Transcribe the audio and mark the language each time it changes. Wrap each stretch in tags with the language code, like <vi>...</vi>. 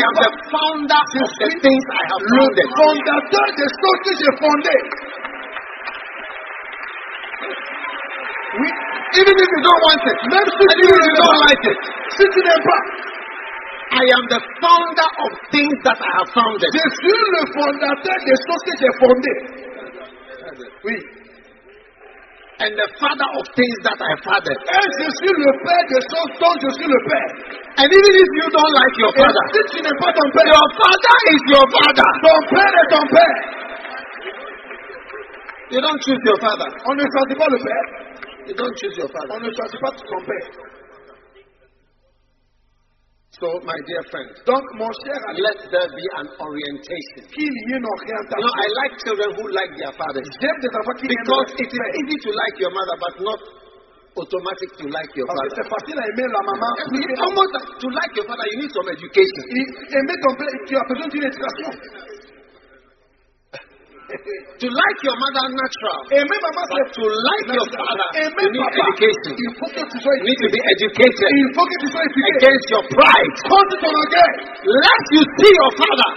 <en>I am the founder of the things I have founded.</en> <fr>Le fondateur des choses que j'ai fondées.</fr> <en>Even if you don't want it,</en> <fr>même si</fr> <en>even if you don't like it,</en> <fr>si tu n'aimes pas.</fr> <en>I am the founder of things that I have founded.</en> <fr>Je suis le fondateur des choses que j'ai fondées. Oui.</fr> <en>And the father of things that I fathered.</en> <fr>Et je suis le père des choses dont je suis le père.</fr> <en>And even if you don't like your father,</en> <fr>si tu n'es pas ton père,</fr> <en>your father is your father.</en> <fr>Ton père est ton père.</fr> <en>You don't choose your father.</en> <fr>On ne choisit pas le père.</fr> <en>You don't choose your father.</en> <fr>On ne choisit pas ton père.</fr> <en>So, my dear friend,</en> <fr>donc, mon cher,</fr> <en>let there be an orientation.</en> <fr>Qu'il y ait une orientation.</fr> <en>You know, I like children who like their fathers.</en> <fr>J'aime des enfants qui</fr> <en>because it is easy to like your mother, but not automatic to like your father.</en> <fr>C'est facile à aimer la maman.</fr> <en>Yes, almost, to like your father, you need some education.</en> <fr>Aimer ton père, tu as besoin d'une éducation.</fr> <en>To like your mother natural.</en> <fr>Aimer maman,</fr> <en>but to like your father,</en> <fr>aimer</fr> <en>you need</en> <fr>papa,</fr> <en>education.</en> <fr>Il faut que tu sois</fr> <en>you need to be educated.</en> <fr>Il faut que tu sois</fr> <en>against your pride.</en> <fr>Contre ton orgueil.</fr> <en>Let you see your father.</en>